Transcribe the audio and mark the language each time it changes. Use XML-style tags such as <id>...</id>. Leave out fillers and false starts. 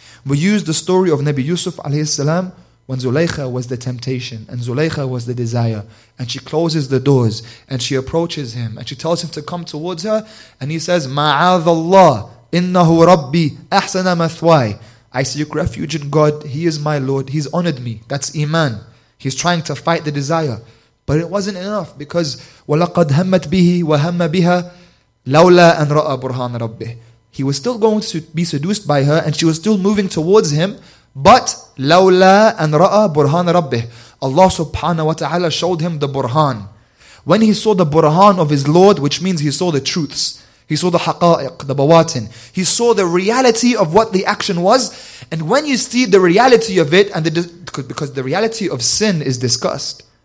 <en>We use the story of Nabi Yusuf alayhi salam, when Zulaykha was the temptation and Zulaykha was the desire. And she closes the doors and she approaches him and she tells him to come towards her. And he says,</en> <ar>Ma'adallah, innahu rabbi ahsana mathwai.</ar> <en>I seek refuge in God. He is my Lord. He's honored me. That's Iman. He's trying to fight the desire. But it wasn't enough because</en> <ar>وَلَقَدْ هَمَّتْ بِهِ وَهَمَّ بِهَا لَوْلَا أَنْ رَأَى بُرْهَانَ رَبِّهِ.</ar> <en>He was still going to be seduced by her and she was still moving towards him. But</en> <ar>لَوْلَا أَنْ رَأَى بُرْهَانَ رَبِّهِ.</ar> <en>Allah subhanahu wa ta'ala showed him the burhan. When he saw the burhan of his Lord, which means he saw the truths, he saw the haqa'iq, the bawatin, he saw the reality of what the action was. And when you see the reality of it, and because the reality of sin is disgust.</en>